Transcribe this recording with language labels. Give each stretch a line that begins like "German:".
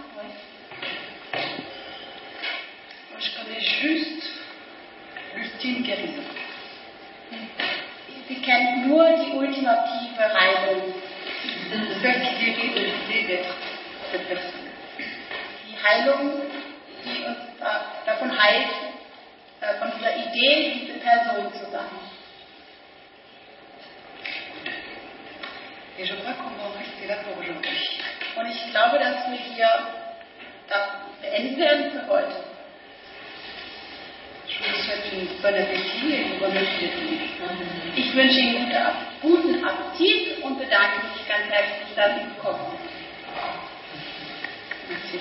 French: Ouais. Moi, je connais juste l'ultime guérison.
German: Sie kennt nur die ultimative Reisung.
French: Celle qui guérit de l'idée d'être cette personne.
German: Die Heilung, die uns davon heilt, von dieser Idee, diese Person zu sein.
French: Et je crois qu'on va en rester là pour aujourd'hui.
German: Und ich glaube, dass wir hier beenden werden für heute. Ich wünsche Ihnen guten Appetit und bedanke mich ganz herzlich, dass Sie gekommen sind.